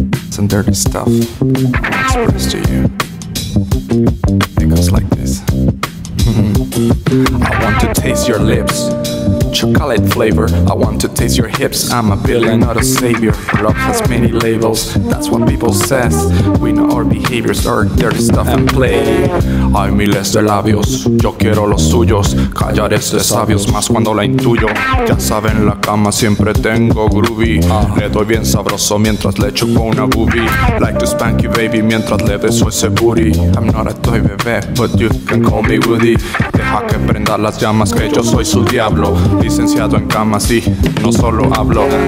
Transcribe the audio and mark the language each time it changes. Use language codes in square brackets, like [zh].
[en] some dirty stuff expressed to you. It goes like this. I want to taste your lips, chocolate flavor. I want to taste your hips. I'm a villain, not a savior. Love has many labels, that's what people says. We know our behaviors are dirty stuff and play. [es] Hay miles de labios, yo quiero los suyos. Callar es de sabios, más cuando la intuyo. Ya saben, la cama siempre tengo groovy. Le doy bien sabroso mientras le chupo una boobie. [en] Like to spank you, baby, [es] mientras le beso ese [en] booty. I'm not a toy bebé, but you can call me Woody. [es] Deja que prenda las llamas, que yo soy su diablo. Licenciado en cama, sí, no solo hablo.